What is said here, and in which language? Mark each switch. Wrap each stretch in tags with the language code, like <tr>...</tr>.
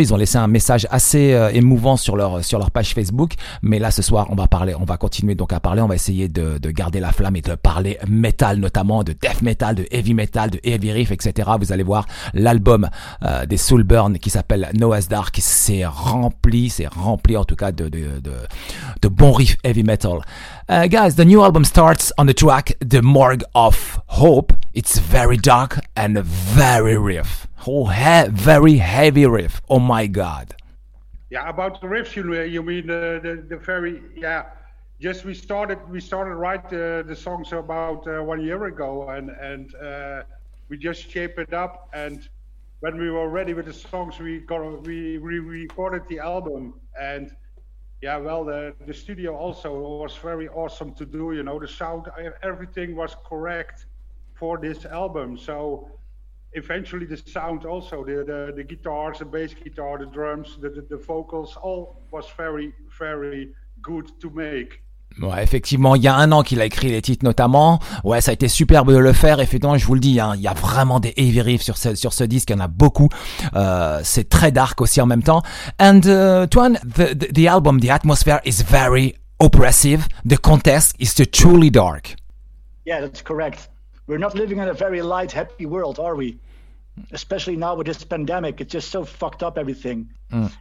<fr>Ils ont laissé un message assez émouvant sur leur page Facebook, mais là ce soir on va continuer à parler, on va essayer de garder la flamme et de parler metal notamment, de death metal, de heavy metal, de heavy riff, etc. Vous allez voir l'album des Soulburn qui s'appelle Noah's Dark, c'est rempli en tout cas de bons riffs heavy metal.</fr> <en>Guys, the new album starts on the track The Morgue of Hope. It's very dark and very riff. Oh, very heavy riff. Oh my God. Yeah, about the riffs, you mean the very, yeah. Just we started write the songs about 1 year ago and we just shaped it up, and when we were ready with the songs, we recorded the album. And yeah, well, the studio also was very awesome to do. You know, the sound, everything was correct for this album. So eventually, the sound also, the guitars, the bass guitar, the drums, the vocals, all was very, very good to make.</en> <fr>Ouais, effectivement, il y a un an qu'il a écrit les titres notamment. Ouais, ça a été superbe de le faire. Effectivement, je vous le dis, hein, il y a vraiment des heavy riffs sur ce disque. Il y en a beaucoup. C'est très dark aussi en même temps.</fr> <en>And Twan, the album, the atmosphere is very oppressive. The context is truly dark. Yeah, that's correct. We're not living in a very light, happy world, are we? Especially now with this pandemic, it's just so fucked up everything. Mm.</en>